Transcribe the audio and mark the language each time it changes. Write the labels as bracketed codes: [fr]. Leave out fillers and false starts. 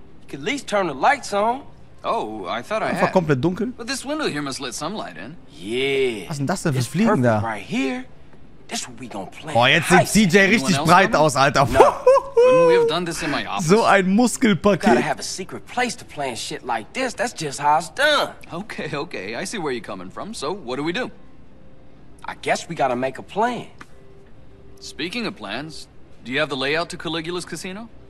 [en] You could at least turn the lights on. Oh, I thought I had. [de] Einfach komplett dunkel. [en] But this window here must let some light in. Yeah. [de] Was ist denn das denn für Fliegen da? [en] Right here. This what we gonna play. [de] Boah, jetzt sieht CJ richtig breit aus, Alter. [en] No. Wouldn't we have done this in my office? [de] So ein Muskelpaket. [en] You gotta have a secret place to plan shit like this. That's just how it's done. Okay, okay. I see where you're coming from. So, what do we do? I guess we gotta make a plan. Speaking of plans, do you have the layout to Caligula's casino?